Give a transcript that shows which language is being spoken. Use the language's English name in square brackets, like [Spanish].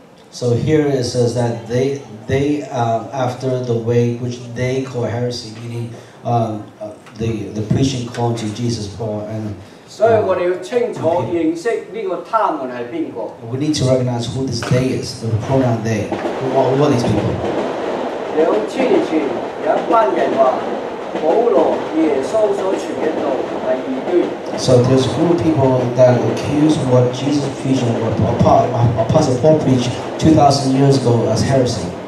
[English] So here it says that after the way which they call heresy, meaning the preaching called to Jesus Paul and. [Cantonese] 所以我哋要清楚認識呢個他們係邊個。 [English] We need to recognize who this they is, the pronoun they. Who are these people? [Cantonese] 2000年前有一班人話保羅耶穌所傳嘅道係異端。 [English] So there's a group of people that accuse what Jesus preached or Apostle Paul preached 2,000 years ago as heresy.